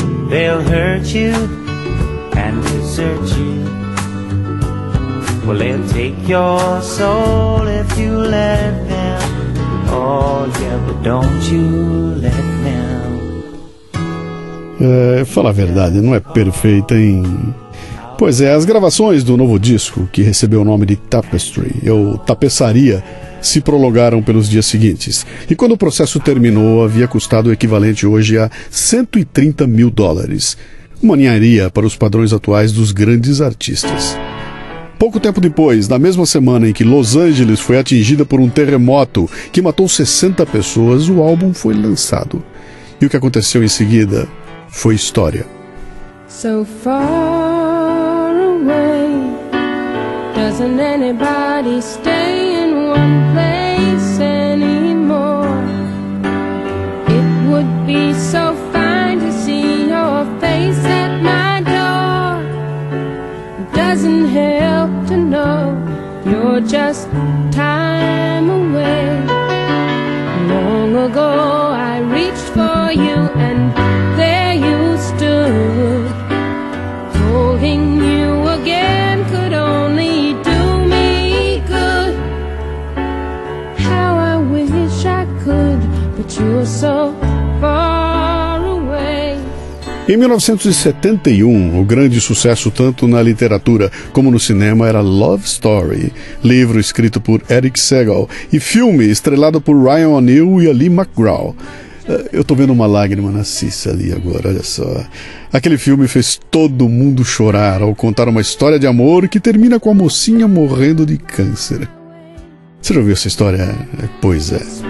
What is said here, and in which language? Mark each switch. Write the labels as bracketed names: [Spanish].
[English] They'll hurt you and desert you. Well, they'll take your soul if you let them. Oh, yeah, but don't you let them. [Portuguese] Fala a verdade, não é perfeita, hein? Pois é, as gravações do novo disco, que recebeu o nome de Tapestry, ou Tapeçaria, se prolongaram pelos dias seguintes. E quando o processo terminou, havia custado o equivalente hoje a $130 mil. Uma ninharia para os padrões atuais dos grandes artistas. Pouco tempo depois, na mesma semana em que Los Angeles foi atingida por um terremoto que matou 60 pessoas, o álbum foi lançado. E o que aconteceu em seguida foi história. [English] So far away, doesn't anybody stay in one place anymore? It would be so fine to see your face at my door. Doesn't help to know you're just time away. Long ago I reached for you and there you stood. Holding you again could only do me good. How I wish I could, but you're so far away. [Portuguese] Em 1971, o grande sucesso tanto na literatura como no cinema era Love Story, livro escrito por Eric Segal e filme estrelado por Ryan O'Neill e Ali McGraw. Eu tô vendo uma lágrima na Cissa ali agora, olha só. Aquele filme fez todo mundo chorar ao contar uma história de amor que termina com a mocinha morrendo de câncer. Você já ouviu essa história? Pois é.